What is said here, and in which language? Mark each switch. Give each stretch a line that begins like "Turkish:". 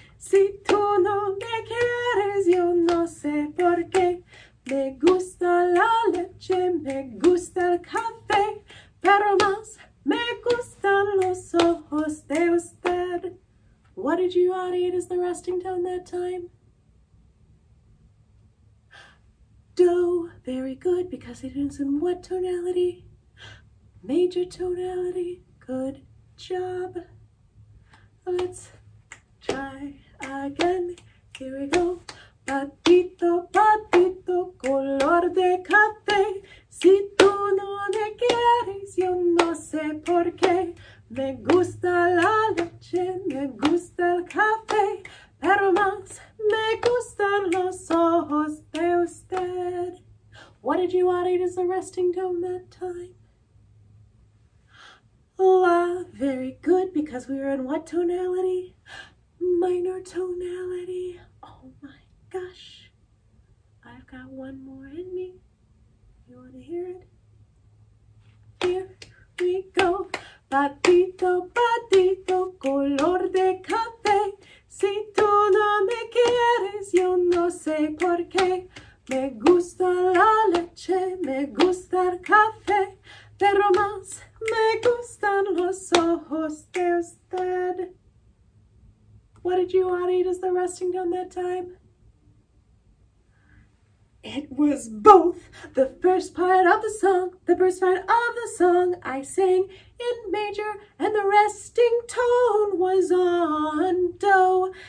Spanish: Si tú no me quieres, yo no sé por qué. Me gusta la leche, me gusta el café, pero más me gustan los ojos de usted.
English: What did you want to eat as the resting tone that time? Do. Very good, because it is in what tonality? Major tonality. Good job. Let's try again. Here we go.
Spanish: Patito, patito, color de café. Si tú no me quieres, yo no sé por qué. Me gusta la leche, me gusta el café, pero más me gustan los ojos de usted.
English: What did you want to eat as a resting tone that time? La. Very good, because we were in what tonality? Minor tonality. Oh my gosh. I've got one more in me. You want to hear it? Here we go.
Spanish: Patito, patito, color de café. Si tú no me quieres, yo no sé por qué. Me gusta la leche, me gusta el café, pero más me gustan los ojos de usted.
English: What did you want to eat as the resting tone that time? It was both. The first part of the song, the first part of the song I sang in major, and the resting tone was on do.